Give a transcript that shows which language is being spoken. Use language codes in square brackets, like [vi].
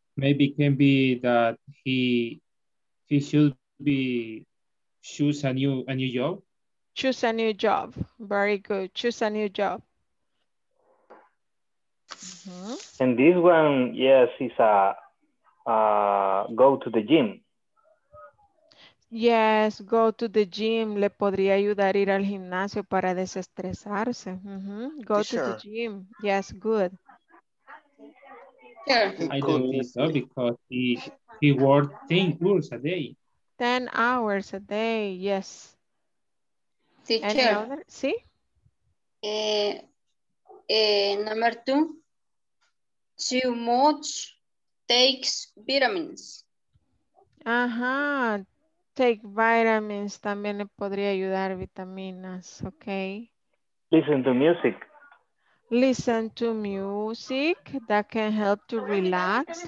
[en] Maybe it can be that he should be choose a new job. Choose a new job. Very good. Choose a new job. Mm-hmm. And this one, yes, is a go to the gym. Yes, go to the gym. [es] Le podría ayudar ir al gimnasio para desestresarse. [en] Mm-hmm. Go to the gym. Yes, good. Yeah. I don't think so because he worked 10 hours a day. 10 hours a day, yes. Teacher. [es] Sí. [en] Number two, too much takes vitamins. Ajá. Uh-huh. Take vitamins, [es] también le podría ayudar vitaminas, okay. [en] Listen to music. Listen to music, that can help to relax.